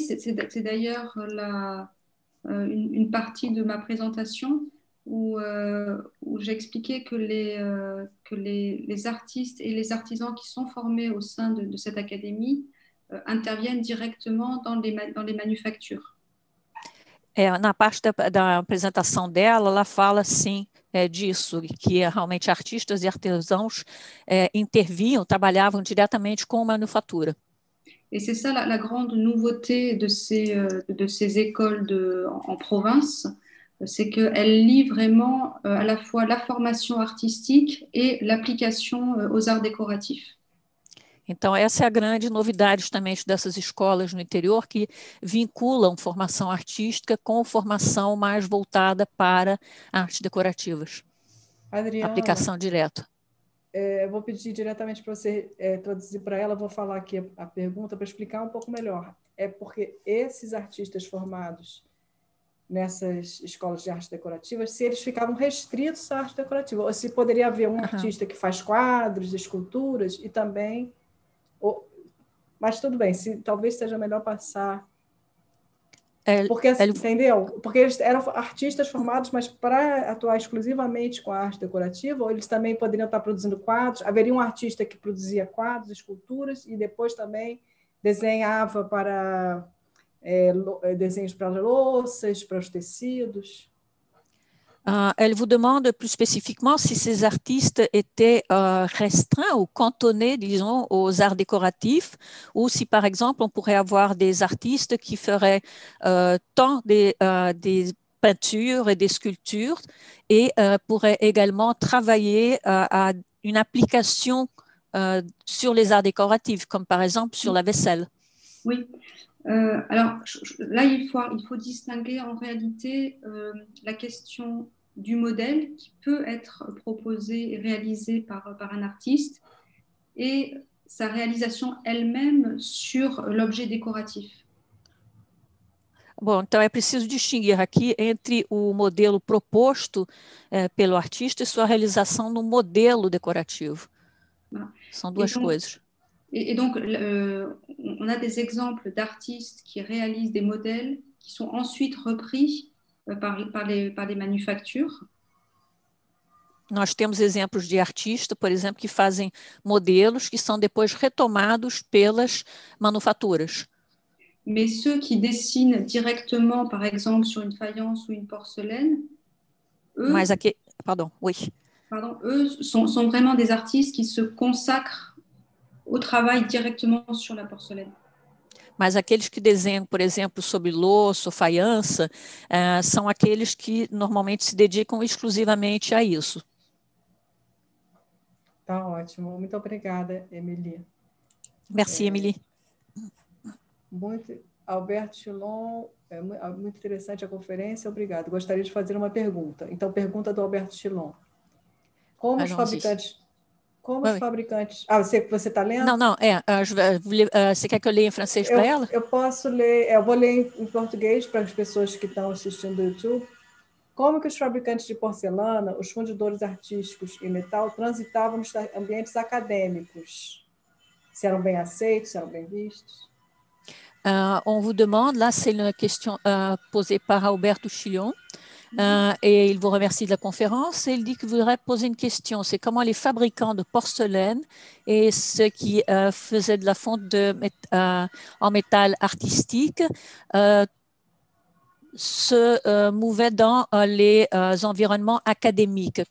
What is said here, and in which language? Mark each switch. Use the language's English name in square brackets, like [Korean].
[French] C'est d'ailleurs une partie de ma présentation où j'expliquais que les artistes et les artisans qui sont formés au sein de cette académie interviennent directement dans les manufactures. [Portuguese] Na parte da apresentação dela, ela fala assim disso, que realmente artistas e artesãos intervinham, trabalhavam diretamente com a manufatura. [French] Et c'est ça la grande nouveauté de ces écoles en province, c'est qu'elles lient vraiment à la fois la formation artistique et l'application aux arts décoratifs. [Portuguese] Então, essa é a grande novidade também dessas escolas no interior, que vinculam formação artística com formação mais voltada para artes decorativas. Adriana. Aplicação direta. Eu vou pedir diretamente para você traduzir para ela, vou falar aqui a pergunta para explicar um pouco melhor. É porque esses artistas formados nessas escolas de artes decorativas, se eles ficavam restritos à arte decorativa, ou se poderia haver um artista que faz quadros, esculturas e também. Mas tudo bem, se talvez seja melhor passar. Porque, entendeu? Porque eles eram artistas formados, mas para atuar exclusivamente com a arte decorativa, ou eles também poderiam estar produzindo quadros? Haveria um artista que produzia quadros, esculturas, e depois também desenhava para desenhos para louças, para os tecidos? [French] Elle vous demande plus spécifiquement si ces artistes étaient restreints ou cantonnés, disons, aux arts décoratifs, ou si, par exemple, on pourrait avoir des artistes qui feraient tant des peintures et des sculptures et pourraient également travailler à une application sur les arts décoratifs, comme par exemple sur la vaisselle. Oui, alors là, il faut distinguer en réalité la question du modèle qui peut être proposé et réalisé par un artiste et sa réalisation elle-même sur l'objet décoratif. [Portuguese] Bom, então é preciso distinguir aqui entre o modelo proposto, pelo artista e sua realização no modelo decorativo. [French] Voilà. [Portuguese] São duas coisas. [French] Et donc, on a des exemples d'artistes qui réalisent des modèles qui sont ensuite repris par les manufactures. [Portuguese] Nós temos exemplos de artistas, por exemplo, que fazem modelos que são depois retomados pelas manufaturas. [French] Mais ceux qui dessinent directement, par exemple, sur une faïence ou une porcelaine, [Portuguese] Mas aqui, [French] pardon, oui. eux sont vraiment des artistes qui se consacrent au travail directement sur la porcelaine. [Portuguese] Mas aqueles que desenham, por exemplo, sobre louça ou faiança, são aqueles que normalmente se dedicam exclusivamente a isso. Tá ótimo. Muito obrigada, Emily. [French] Merci, Emily. [Portuguese] Muito, Alberto Chilon, é muito interessante a conferência. Obrigado. Gostaria de fazer uma pergunta. Então, pergunta do Alberto Chilon. Como os fabricantes... Como os [French] Oui. [Portuguese] fabricantes. Ah, você está lendo? [French] Non, non, [Portuguese] você quer que eu leia em francês para ela? Eu posso ler, eu vou ler em português para as pessoas que estão assistindo o YouTube. Como que os fabricantes de porcelana, os fundidores artísticos e metal transitavam nos ambientes acadêmicos? Se eram bem aceitos, se eram bem vistos? [French] On vous demande, là, c'est une question posée par Alberto Chillon. Et il vous remercie de la conférence et il dit qu'il voudrait poser une question. C'est comment les fabricants de porcelaine et ceux qui faisaient de la fonte en métal artistique se mouvaient dans les environnements académiques.